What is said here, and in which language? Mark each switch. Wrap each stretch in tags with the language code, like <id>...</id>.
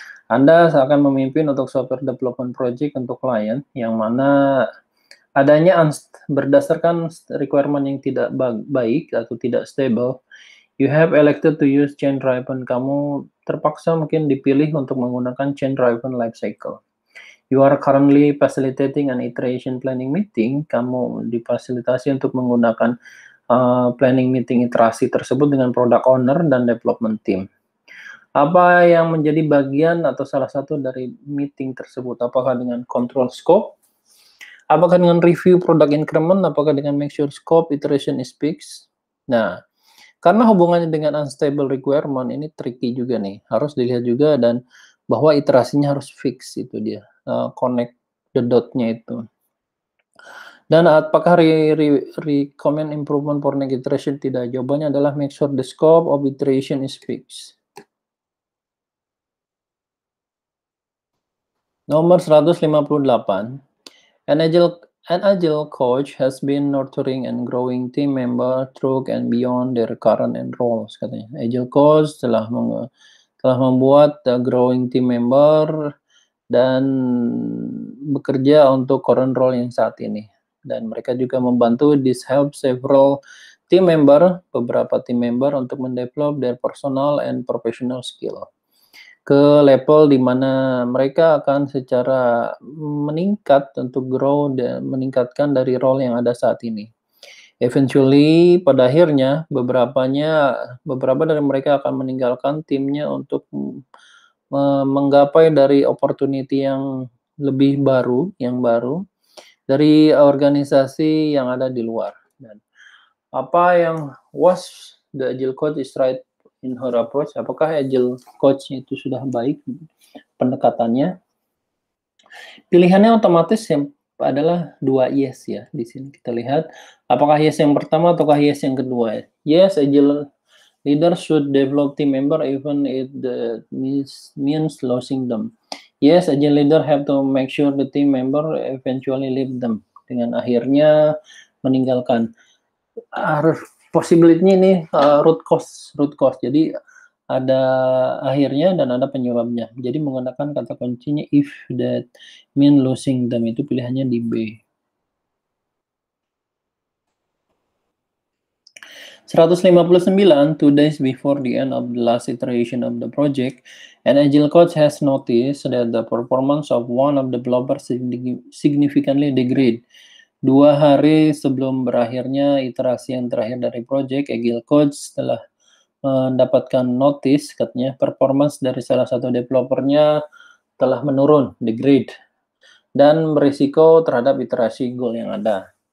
<id>Anda akan memimpin untuk software development project untuk client yang mana adanya berdasarkan requirement yang tidak baik atau tidak stable,</id> <en>you have elected to use change-driven.</en> <id>Kamu terpaksa mungkin dipilih untuk menggunakan change-driven lifecycle.</id> <en>You are currently facilitating an iteration planning meeting.</en> <id>Kamu difasilitasi untuk menggunakan planning meeting iterasi tersebut dengan product owner dan development team. Apa yang menjadi bagian atau salah satu dari meeting tersebut? Apakah dengan control scope? Apakah dengan review product increment? Apakah dengan</id> <en>make sure scope iteration is fixed?</en> <id>Nah, karena hubungannya dengan unstable requirement, ini tricky juga nih. Harus dilihat juga dan bahwa iterasinya harus fix, itu dia.</id> <en>Connect the dot-nya itu.</en> <id>Dan apakah</id> <en>recommend improvement for next iteration?</en> <id>Tidak. Jawabannya adalah</id> <en>make sure the scope of iteration is fixed.</en> <id>Nomor 158.</id> <en>An agile coach has been nurturing and growing team member through and beyond their current and roles.</en> <id>Katanya. Agile coach telah membuat growing team member dan bekerja untuk current role yang saat ini. Dan mereka juga membantu,</id> <en>this help several team member,</en> <id>beberapa team member untuk mendevelop</id> <en>their personal and professional skill</en> <id>ke level di mana mereka akan secara meningkat untuk grow dan meningkatkan dari role yang ada saat ini.</id> <en>Eventually,</en> <id>pada akhirnya, beberapa dari mereka akan meninggalkan timnya untuk menggapai dari opportunity yang lebih baru, dari organisasi yang ada di luar. Dan apa yang</id> <en>was the agile coach is right in her approach,</en> <id>apakah agile coach itu sudah baik pendekatannya, pilihannya otomatis yang adalah dua yes ya. Di sini kita lihat apakah yes yang pertama ataukah yes yang kedua.</id> <en>Yes, agile leader should develop team member even if that means losing them. Yes, agile leader have to make sure the team member eventually leave them,</en> <id>dengan akhirnya meninggalkan. Possibility-nya ini root cause. Jadi ada akhirnya dan ada penyebabnya. Jadi menggunakan kata kuncinya</id> <en>if that mean losing them,</en> <id>itu pilihannya di B.</id> <en>159, 2 days before the end of the last iteration of the project, an agile coach has noticed that the performance of one of the developers significantly degraded.</en> <id>Dua hari sebelum berakhirnya iterasi yang terakhir dari project, agile coach telah mendapatkan notice, katanya performance dari salah satu developernya telah menurun, degrade, dan berisiko terhadap iterasi goal yang ada.</id>